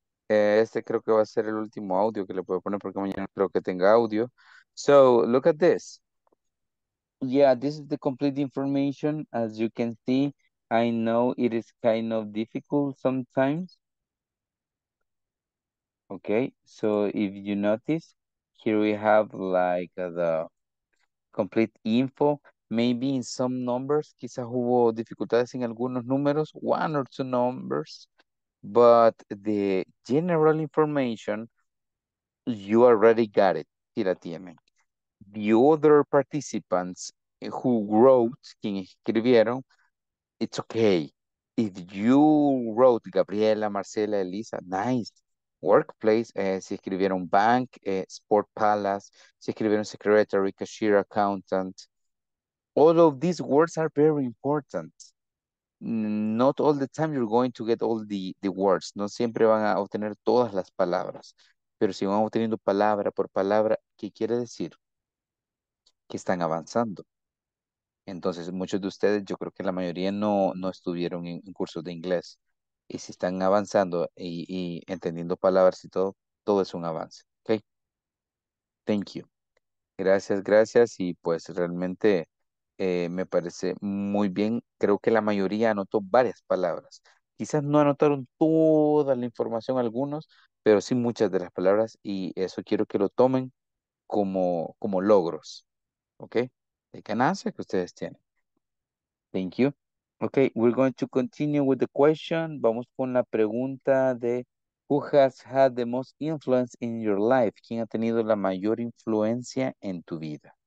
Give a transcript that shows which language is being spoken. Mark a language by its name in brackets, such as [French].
[Spanish] Este creo que va a ser el último audio que le puedo poner porque mañana creo que tenga audio. [English] So, look at this. Yeah, this is the complete information. As you can see, I know it is kind of difficult sometimes. Okay, so if you notice, here we have like the complete info. Maybe in some numbers, [Spanish] quizá hubo dificultades en algunos números, [English] one or two numbers. But the general information, you already got it. Tira tiene. The other participants who wrote, [Spanish] quien escribieron, [English] it's okay. If you wrote Gabriela, Marcela, Elisa, nice. Workplace, [Spanish] si escribieron [English] bank, sport palace, si escribieron secretary, cashier, accountant. All of these words are very important. Not all the time you're going to get all the words. [Spanish] No siempre van a obtener todas las palabras. Pero si van obteniendo palabra por palabra, ¿qué quiere decir? Que están avanzando. Entonces, muchos de ustedes, yo creo que la mayoría no estuvieron en cursos de inglés. Y si están avanzando y entendiendo palabras y todo, todo es un avance. [English] Okay. Thank you. [Spanish] Gracias, gracias. Y pues realmente me parece muy bien. Creo que la mayoría anotó varias palabras. Quizás no anotaron toda la información algunos, pero sí muchas de las palabras. Y eso quiero que lo tomen como logros. ¿Ok? De ganancia que ustedes tienen. [English] Thank you. Ok, we're going to continue with the question. [Spanish] Vamos con la pregunta de [English] who has had the most influence in your life? [Spanish] ¿Quién ha tenido la mayor influencia en tu vida?